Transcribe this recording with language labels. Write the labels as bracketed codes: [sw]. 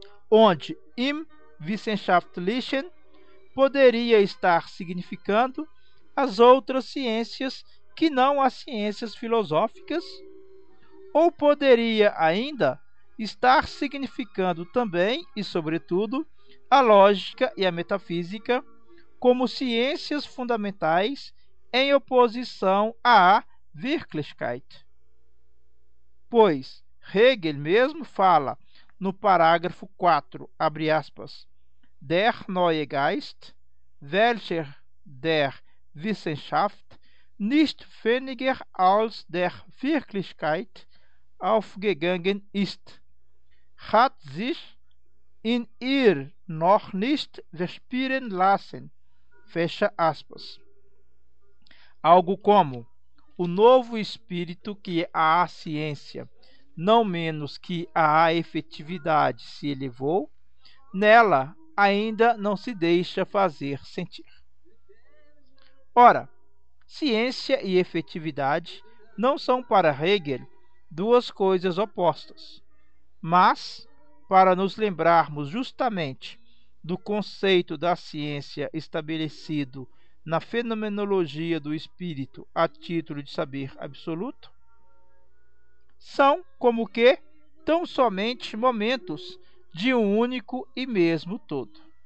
[pt] Onde im Wissenschaftlichen poderia estar significando as outras ciências que não as ciências filosóficas, ou poderia ainda estar significando também e sobretudo a lógica e a metafísica como ciências fundamentais em oposição à Wirklichkeit. Pois Hegel mesmo fala no parágrafo 4, abre aspas, [de] Der neue Geist, welcher der Wissenschaft nicht weniger als der Wirklichkeit aufgegangen ist, hat sich in ihr noch nicht respiren lassen, [pt] fecha aspas. Algo como, o novo espírito que há a ciência, não menos que a efetividade se elevou, nela ainda não se deixa fazer sentir. Ora, ciência e efetividade não são para Hegel duas coisas opostas, mas, para nos lembrarmos justamente do conceito da ciência estabelecido na fenomenologia do espírito a título de saber absoluto, são, como que, tão somente momentos de um único e mesmo todo.